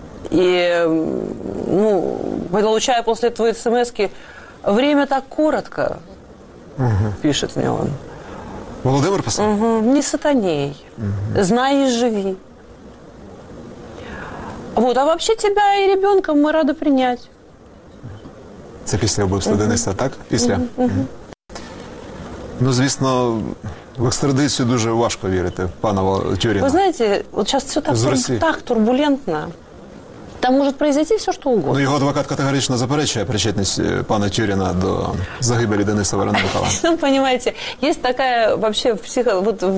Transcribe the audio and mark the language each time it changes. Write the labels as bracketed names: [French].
[Russian] И, ну, получая после этого смс-ки, время так коротко. Угу. Пишет мне он. Володимир писал? Угу. Не сатаней. Угу. Знай и живи. Вот, а вообще тебя и ребенка мы рады принять. [Ukrainian] Це після вбивства Дениса, так? Після? Ну, звісно, в екстрадицію дуже важко вірити, пана Тюріна. Ви знаєте, от зараз все так, так турбулентно. [Russian] Там може произойти все, що угодно. [Ukrainian] Ну, його адвокат категорично заперечує причетність пана Тюріна до загибелі Дениса Вороненкова. [Russian] Ну, понимаете, є така вообще вот в...